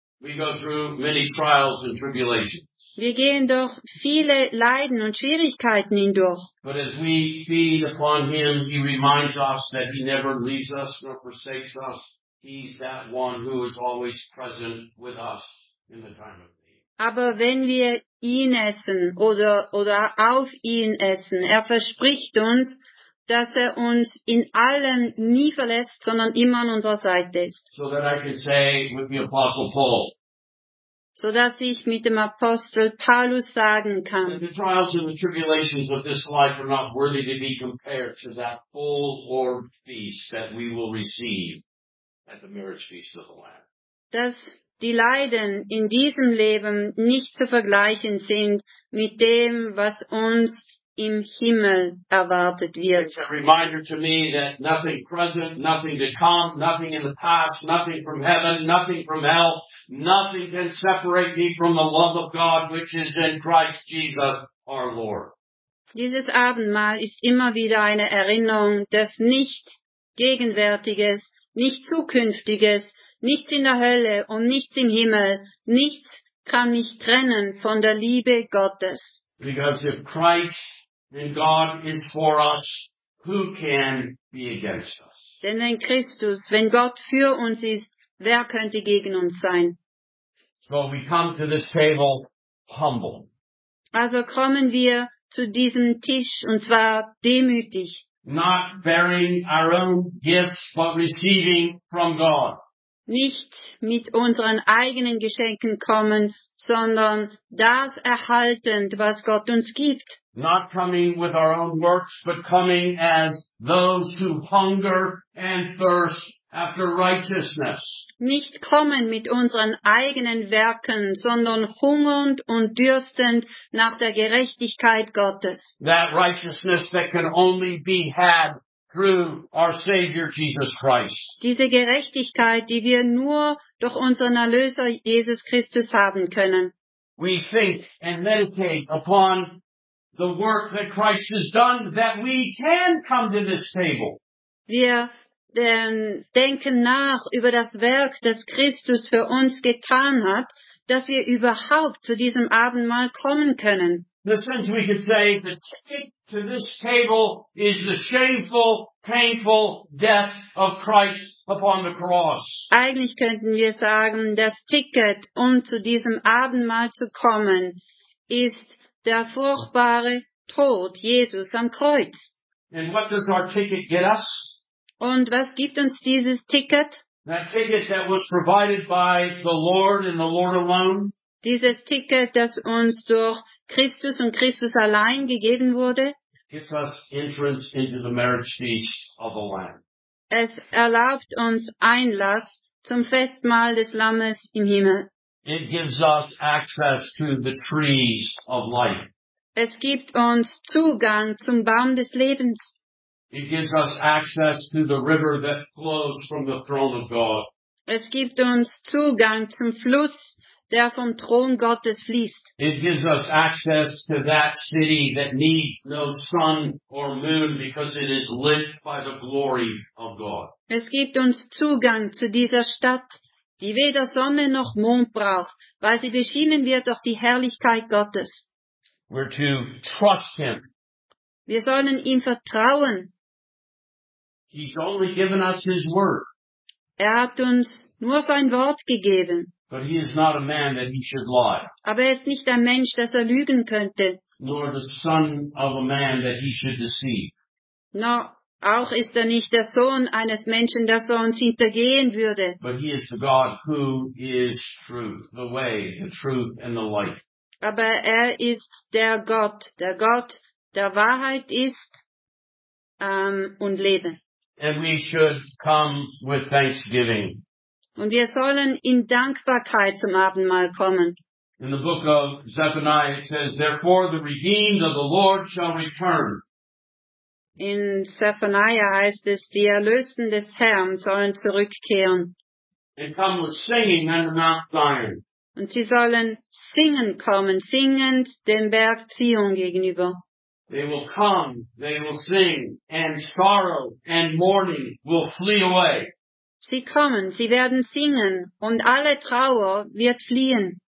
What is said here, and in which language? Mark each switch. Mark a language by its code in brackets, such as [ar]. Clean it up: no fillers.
[en] We go through many trials and tribulations. [de] Wir gehen durch viele Leiden und Schwierigkeiten hindurch. [en] But as we feed upon him, he reminds us that he never leaves us nor forsakes us. He's that one who is always present with us in the time of need. [de] Aber wenn wir ihn essen oder auf ihn essen, er verspricht uns, dass er uns in allem nie verlässt, sondern immer an unserer Seite ist. [en] So that I can say with the Apostle Paul, [de] so dass ich mit dem Apostel Paulus sagen kann, [en] the trials and the tribulations of this life are not worthy to be compared to that full orb feast that we will receive at the marriage feast of the Lamb. [de] Dass die Leiden in diesem Leben nicht zu vergleichen sind mit dem, was uns im Himmel erwartet wird. [en] It's a reminder to me that nothing present, nothing to come, nothing in the past, nothing from heaven, nothing from hell, nothing can separate me from the love of God, which is in Christ Jesus, our Lord. [de] Dieses Abendmahl ist immer wieder eine Erinnerung, dass nicht Gegenwärtiges, nicht Zukünftiges, nichts in der Hölle und nichts im Himmel, nichts kann mich trennen von der Liebe Gottes. [en] Because if Christ and God is for us, who can be against us? [de] Denn wenn Christus, wenn Gott für uns ist, wer könnte gegen uns sein? [en] So we come to this table humble. [de] Also kommen wir zu diesem Tisch, und zwar demütig. [en] Not bearing our own gifts, but receiving from God. [de] Nicht mit unseren eigenen Geschenken kommen, sondern das erhaltend, was Gott uns gibt. [en] Not coming with our own works, but coming as those who hunger and thirst after righteousness. [de] Nicht kommen mit unseren eigenen Werken, sondern hungernd und dürstend nach der Gerechtigkeit Gottes. [en] That righteousness that can only be had through our Savior Jesus Christ. [de] Diese Gerechtigkeit, die wir nur durch unseren Erlöser Jesus Christus haben können. [en] We think and meditate upon the work that Christ has done that we can come to this table. [de] Wir denken nach über das Werk, das Christus für uns getan hat, dass wir überhaupt zu diesem Abendmahl kommen können. [en] In a sense, we could say the ticket to this table is the shameful, painful death of Christ upon the cross. [de] Eigentlich könnten wir sagen, das Ticket, um zu diesem Abendmahl zu kommen, ist der furchtbare Tod Jesus am Kreuz. [en] And what does our ticket get us? [de] Und was gibt uns dieses Ticket? [en] That ticket that was provided by the Lord and the Lord alone. [de] Dieses Ticket, das uns durch Christus und Christus allein gegeben wurde. [en] Gives us entrance into the marriage feast of the Lamb. [de] Es erlaubt uns Einlass zum Festmahl des Lammes im Himmel. [en] It gives us access to the trees of life. [de] Es gibt uns Zugang zum Baum des Lebens. [en] It gives us access to the river that flows from the throne of God. [de] Es gibt uns Zugang zum Fluss, der vom Thron Gottes fließt. [en] It gives us access to that city that needs no sun or moon because it is lit by the glory of God. [de] Es gibt uns Zugang zu dieser Stadt, die weder Sonne noch Mond braucht, weil sie beschienen wird durch die Herrlichkeit Gottes. [en] We're to trust him. [de] Wir sollen ihm vertrauen. [en] He's only given us his word. [de] Er hat uns nur sein Wort gegeben. [en] But he is not a man that he should lie. [de] Aber er ist nicht ein Mensch, dass er lügen könnte. [en] Nor the son of a man that he should deceive. [de] No, auch ist er nicht der Sohn eines Menschen, dass er uns hintergehen würde. [en] But he is the God who is truth, the way, the truth and the life. [de] Aber er ist der Gott der Wahrheit ist und Leben. [en] And we should come with thanksgiving. [de] Und wir sollen in Dankbarkeit zum Abendmahl kommen. [en] In the book of Zephaniah it says, therefore the redeemed of the Lord shall return. [de] In Zephaniah heißt es, die Erlösten des Herrn sollen zurückkehren. [en] And come with singing under Mount Zion. [de] Und sie sollen singen kommen, singend dem Berg Zion gegenüber. [en] They will come, they will sing, and sorrow and mourning will flee away. [de] Sie kommen, sie werden singen, und alle Trauer wird fliehen.